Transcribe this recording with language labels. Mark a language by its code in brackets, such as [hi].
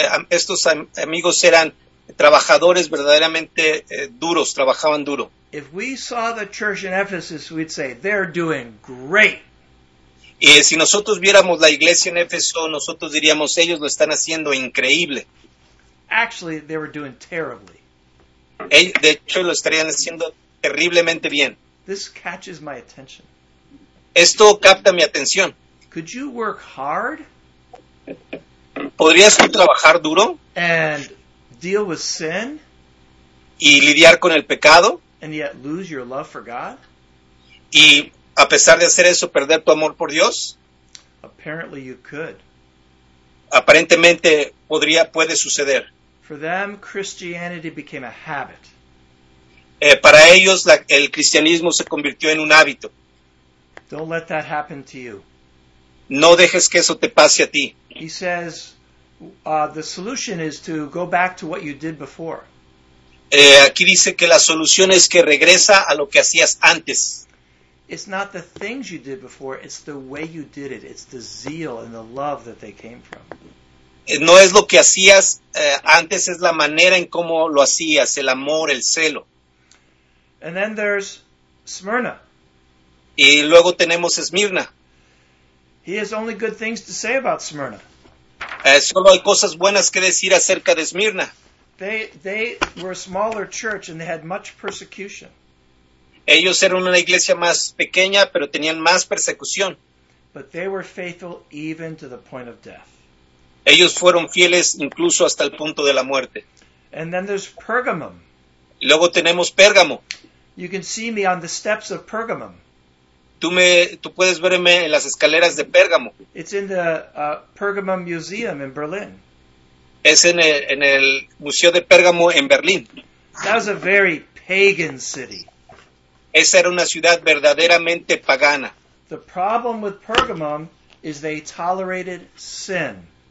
[es] Estos amigos eran trabajadores verdaderamente duros, trabajaban duro. [en] If we saw the church in Ephesus, we'd say, they're doing great. [es] Y si nosotros viéramos la iglesia en Éfeso, nosotros diríamos, ellos lo están haciendo increíble. [en] Actually, they were doing terribly. [es] De hecho, lo estarían haciendo terriblemente bien. [en] This catches my attention. [es] Esto capta mi atención. [en] Could you work hard? [es] ¿Podrías tú trabajar duro? [en] And deal with sin? [es] ¿Y lidiar con el pecado? [en] And yet lose your love for God? [es] ¿Y a pesar de hacer eso perder tu amor por Dios? [en] Apparently you could. [es] Aparentemente puede suceder. [en] For them, Christianity became a habit. [es] Para ellos el cristianismo se convirtió en un hábito. [en] Don't let that happen to you. [es] No dejes que eso te pase a ti. [en] He says, the solution is to go back to what you did before. [es] Aquí dice que la solución es que regresa a lo que hacías antes. [en] It's not the things you did before, it's the way you did it. It's the zeal and the love that they came from. [es] No es lo que hacías antes, es la manera en cómo lo hacías, el amor, el celo. [en] And then there's Smyrna. [es] Y luego tenemos Esmirna. [en] He has only good things to say about Smyrna. [es] Solo hay cosas buenas que decir acerca de Esmirna. [en] They were a smaller church and they had much persecution. [es] Ellos eran una iglesia más pequeña, pero tenían más persecución. [en] But they were faithful even to the point of death. [es] Ellos fueron fieles incluso hasta el punto de la muerte. [en] And then there's Pergamum. [es] Luego tenemos Pérgamo. [en] You can see me on the steps of Pergamum. [es] Tú puedes verme en las escaleras de Pérgamo. [en] It's in the Pergamum Museum in Berlin. [es] Es en el Museo de Pérgamo en Berlín. [en] That was a very pagan city. [es] Esa era una ciudad verdaderamente pagana. [en] The problem with Pergamum is they tolerated sin.